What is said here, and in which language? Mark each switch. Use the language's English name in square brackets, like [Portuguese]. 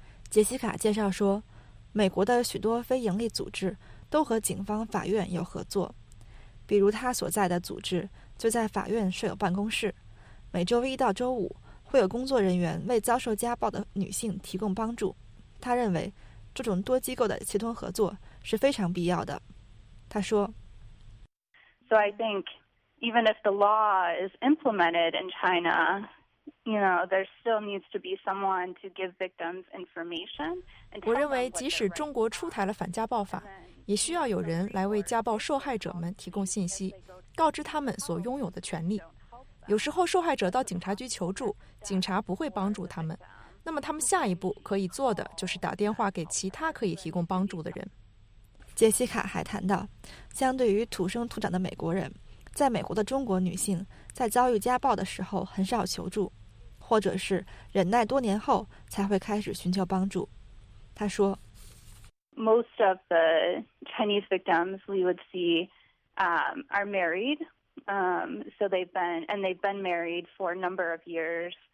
[Chinese] 杰西卡介绍说，美国的许多非营利组织都和警方、法院有合作，比如他所在的组织就在法院设有办公室，每周一到周五会有工作人员为遭受家暴的女性提供帮助。他认为这种多机构的协同合作是非常必要的。他说， [English] So I think even if the law is implemented in China, you know, there still needs to be someone to give victims information. [Chinese] 我认为即使中国出台了反家暴法，也需要有人来为家暴受害者们提供信息，告知他们所拥有的权利。有时候受害者到警察局求助，警察不会帮助他们，那么他们下一步可以做的就是打电话给其他可以提供帮助的人。杰西卡还谈到，相对于土生土长的美国人，在美国的中国女性在遭遇家暴的时候很少求助，或者是忍耐多年后才会开始寻求帮助。她说 [English] Most of the Chinese victims we would see are married, so they've been married for a number of years.